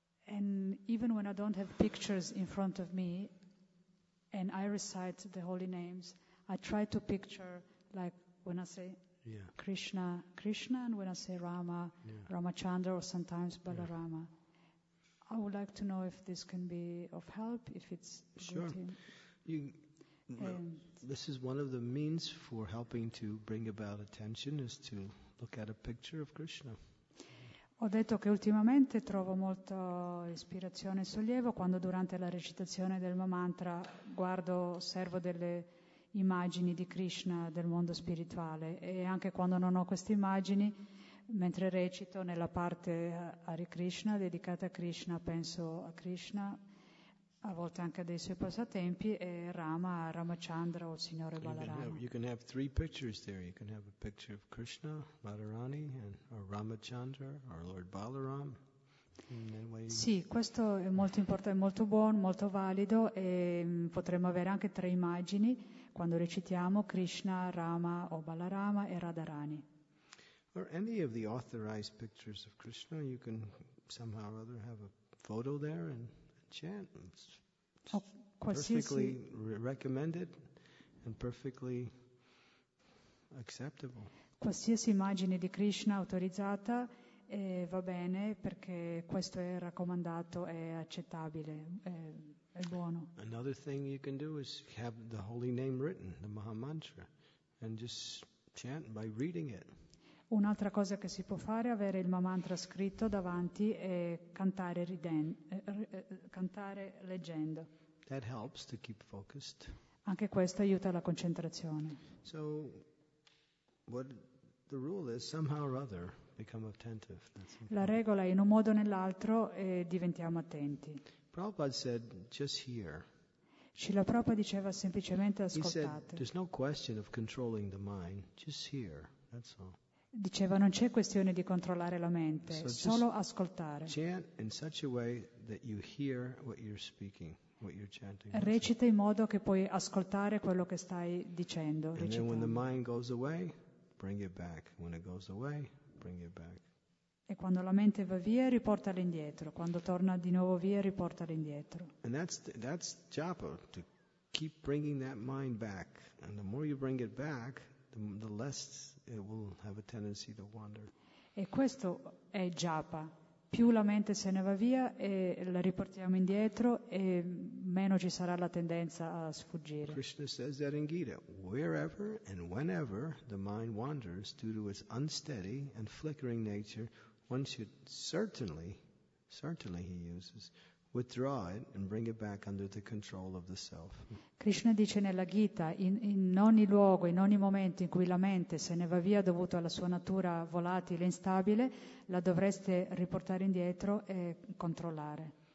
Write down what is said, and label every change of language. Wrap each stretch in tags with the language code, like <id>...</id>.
<en>And even when I don't have pictures in front of me, and I recite the holy names, I try to picture, like when I say Krishna, Krishna, and when I say Rama, Ramachandra, or sometimes Balarama. Yeah. I would like to know if this can be of help, if it's sure. Good. You, this is one of the means for helping to bring about attention, is to look at a picture of Krishna.</en> <it>Ho detto che ultimamente trovo molta ispirazione e sollievo quando durante la recitazione del mantra guardo, osservo delle immagini di Krishna del mondo spirituale, e anche quando non ho queste immagini, mentre recito nella parte Hare Krishna, dedicata a Krishna, penso a Krishna, a volte anche dei suoi passatempi, e Rama, Ramachandra o il signore Balarama.</it> <en>You can have three pictures there. You can have a picture of Krishna, Radharani, or Ramachandra, or Lord Balaram.</en> <it>Sì, questo è molto importante, molto buono, molto valido, e potremmo avere anche tre immagini. quando recitiamo Krishna, Rama o Balarama e Radharani.</it> <en>Or any of the authorized pictures of Krishna, you can somehow or other have a photo there and chant. It's perfectly recommended and perfectly acceptable.</en> <it>Qualsiasi immagine di Krishna autorizzata va bene, perché questo è raccomandato, è accettabile, è buono.</it> <en>Another thing you can do is have the holy name written, the Maha Mantra, and just chant by reading it.</en> <it>Un'altra cosa che si può fare è avere il Mahamantra scritto davanti e cantare cantare leggendo.</it> <en>That helps to keep focused.</en> <it>Anche questo aiuta la concentrazione.</it> <en>So what the rule is, somehow or other become attentive.</en> <it>La regola è, in un modo o nell'altro, diventiamo attenti.</it> <en>Prabhupada said, just hear.</en> <it>Srila Prabhupada diceva semplicemente ascoltate.</it> <en>He said, there's no question of controlling the mind, just hear, that's all.</en> <it>Diceva, non c'è questione di controllare la mente,</it> <en>so</en> <it>solo ascoltare.</it> <en>Chant in such a way that you hear what you're speaking, what you're chanting.</en> <it>Recita in modo che puoi ascoltare quello che stai dicendo.</it> <en>And then when the mind goes away, bring it back. When it goes away, bring it back.</en> <it>E quando la mente va via, riportala indietro. Quando torna di nuovo via, riportala indietro.</it> <en>And that's japa, to keep bringing that mind back. And the more you bring it back, the less it will have a tendency to wander.</en> <it>E questo è japa. Più la mente se ne va via e la riportiamo indietro, e meno ci sarà la tendenza a sfuggire.</it> <en>Krishna says that in Gita, wherever and whenever the mind wanders due to its unsteady and flickering nature, one should certainly, he uses, withdraw it and bring it back under the control of the self.</en> <it>Krishna dice nella Gita, in ogni luogo, in ogni momento in cui la mente se ne va via dovuto alla sua natura volatile e instabile, la dovreste riportare indietro e controllare,</it>